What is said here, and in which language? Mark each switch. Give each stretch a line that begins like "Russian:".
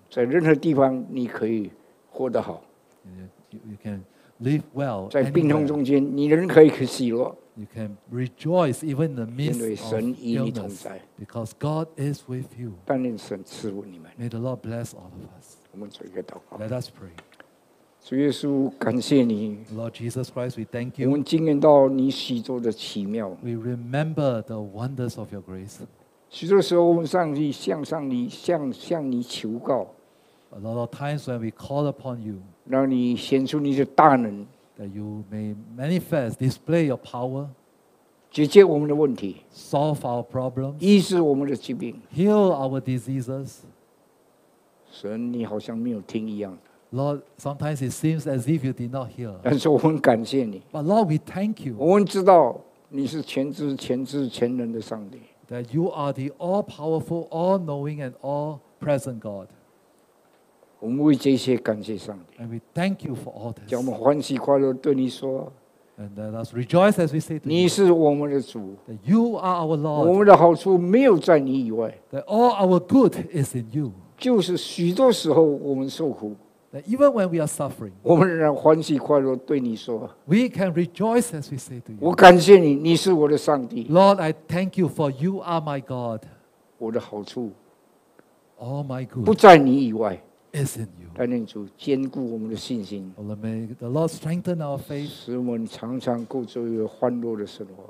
Chinese: 在任何地方你可以活得好
English: ，you can live well，
Chinese: 在病痛中间你仍可以去喜乐
English: ，you can rejoice even in the midst of illness，
Chinese: 因为神与你同在
English: ，because God is with you，
Chinese: 但愿神赐福你们
English: ，may the Lord bless all of us，
Chinese: 我们做一个祷告
English: ，let us pray，
Chinese: 主耶稣感谢你
English: ，Lord Jesus Christ we thank you，
Chinese: 我们经验到你许多的奇妙
English: ，we remember the wonders of your grace。
Chinese: 许多时候，我们上帝向上帝向你求告。
English: A lot of times when we call upon you，
Chinese: 让你显出你的大能。
English: That you may manifest, display your power，
Chinese: 解决我们的问题。
English: Solve our problems，
Chinese: 医治我们的疾病。
English: Heal our diseases，
Chinese: 神，你好像没有听一样。
English: Lord， sometimes it seems as if you did not hear。
Chinese: 但是我们感谢你。
English: But Lord， we thank you。
Chinese: 我们知道你是全知、全智、全能的上帝。
English: That you are the all-powerful, all-knowing, and all-present God.
Chinese: 我们为这些感谢上帝。
English: And we thank you for all this.
Chinese: 叫我们欢喜快乐对你说。
English: And let us rejoice as we say to you.
Chinese: 你是我们的主。
English: That you are our Lord.
Chinese: 我们的好处没有在你以外。
English: That all our good is in you.
Chinese: 就是许多时候我们受苦。
English: That even when we are suffering,
Chinese: 我们仍然欢喜快乐对你说。
English: We can rejoice as we say to you.
Chinese: 我感谢你，你是我的上帝。
English: Lord, I thank you for you are my God.
Chinese: 我的好处
English: ，all my good,
Chinese: 不在你以外
English: ，is in you.
Chinese: 但愿主坚固我们的信心。
English: Lord, may the Lord strengthen our faith.
Chinese: 使我们常常过着一个欢乐的生活。